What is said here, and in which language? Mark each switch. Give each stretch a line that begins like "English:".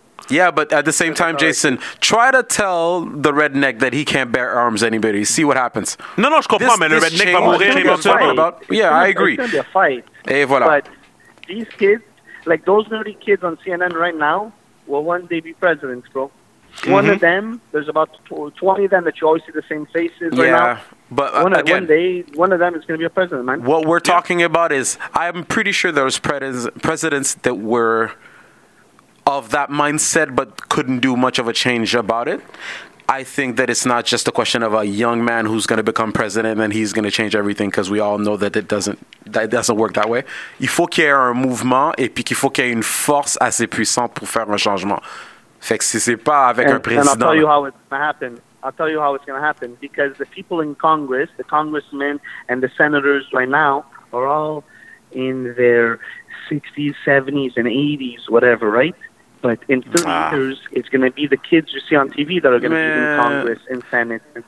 English: Yeah, but at the same time, Jason, try to tell the redneck that he can't bear arms anybody. See what happens.
French: Non, non, je comprends, mais le redneck va mourir éventuellement.
English: Yeah, I agree. It's going to be a fight.
French: Et voilà.
English: But these kids, like those nerdy kids on CNN right now, will one day be presidents, bro. One of them, there's about 20 of them that you always see the same faces right now. But again, one of them is going to be a president, man. What we're talking about is, I'm pretty sure there's presidents that were of that mindset, but couldn't do much of a change about it. I think that it's not just a question of a young man who's going to become president and then he's going to change everything, because we all know that it doesn't work that way.
French: Il faut qu'il y ait un mouvement et puis qu'il faut qu'il y ait une force assez puissante pour faire un changement. Fait que si c'est pas avec un président.
English: And I'll tell you how it's going to happen. I'll tell you how it's going to happen, because the people in Congress, the congressmen and the senators right now, are all in their 60s, 70s, and 80s, whatever, right? But in 30 years, it's going to be the kids you see on TV that are going to be in Congress and Senate.